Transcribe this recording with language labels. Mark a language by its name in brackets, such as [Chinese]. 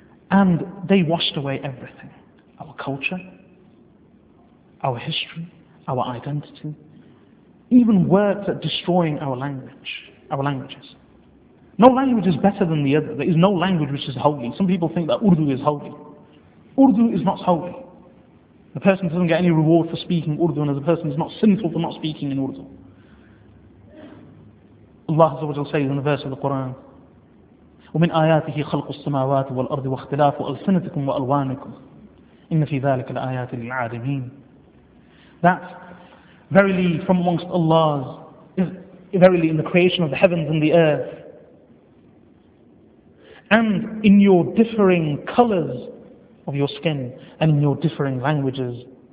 [English] And they washed away everything. Our culture, our history, our identity, even worked at destroying our languages. No language is better than the other. There is no language which is holy. Some people think that Urdu is holy. Urdu is not holy. The person doesn't get any reward for speaking Urdu, and the person is not sinful for not speaking in Urdu. Allah says in the verse of the Quran, [Arabic] وَمِنْ آيَاتِهِ خَلْقُ السَّمَاوَاتِ وَالْأَرْضِ وَاخْتِلَافُ أَلْسِنَتِكُمْ وَأَلْوَانِكُمْ إِنَّ فِي ذَلِكَ الْآيَاتِ لِلْعَالِمِينَ. [English] That verily from amongst Allah's is verily in the creation of the heavens and the earth, and in your differing colors of your skin, and in your differing languages.